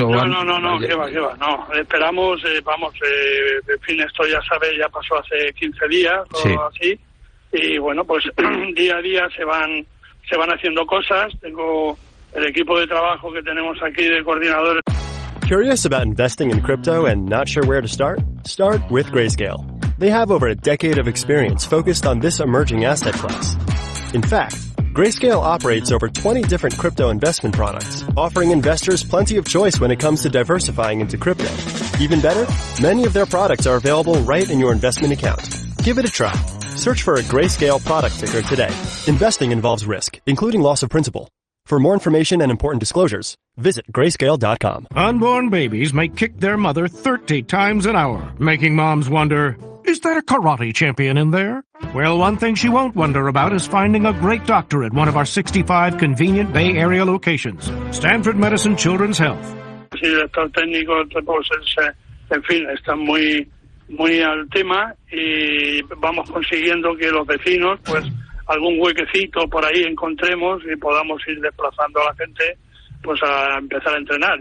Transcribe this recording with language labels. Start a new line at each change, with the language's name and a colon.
Spanish: No, esperamos, en fin, esto ya sabe, ya pasó hace 15 días o sí. Así, y bueno, pues día a día se van haciendo cosas. Tengo el equipo de trabajo que tenemos aquí de coordinadores.
English: Curious about investing in crypto and not sure where to start? Start with Grayscale. They have over a decade of experience focused on this emerging asset class. In fact, Grayscale operates over 20 different crypto investment products, offering investors plenty of choice when it comes to diversifying into crypto. Even better, many of their products are available right in your investment account. Give it a try. Search for a Grayscale product ticker today. Investing involves risk, including loss of principal. For more information and important disclosures, visit grayscale.com. Unborn babies may kick their mother 30 times an hour, making moms wonder, is that a karate champion in there? Well, one thing she won't wonder about is finding a great doctor at one of our 65 convenient Bay Area locations. Stanford Medicine Children's Health.
Spanish: Sí, doctor técnico, pues, en fin, está muy, muy al tema, y vamos consiguiendo que los vecinos, pues, algún huequecito por ahí encontremos y podamos ir desplazando a la gente pues a empezar a entrenar.